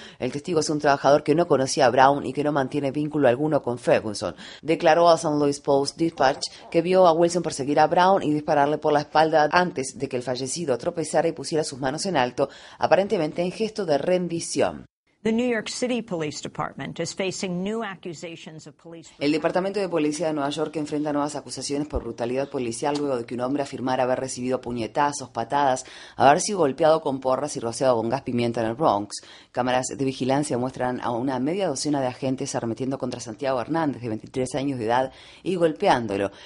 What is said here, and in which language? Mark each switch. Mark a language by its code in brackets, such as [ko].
[es] El testigo es un trabajador que no conocía a Brown y que no mantiene vínculo alguno con Ferguson. Declaró a San Luis Post Dispatch que vio a Wilson perseguir a Brown y dispararle por la espalda antes de que el fallecido tropezara y pusiera sus manos en alto, aparentemente en gesto de rendición. [en] The New York City Police Department is facing new accusations of police brutality. [es] El Departamento de Policía de Nueva York enfrenta nuevas acusaciones por brutalidad policial luego de que un hombre afirmara haber recibido puñetazos, patadas, haber sido golpeado con porras y rociado con gas pimienta en el Bronx. Cámaras de vigilancia muestran a una media docena de agentes arremetiendo contra Santiago Hernández, de 23 años de edad, y golpeándolo.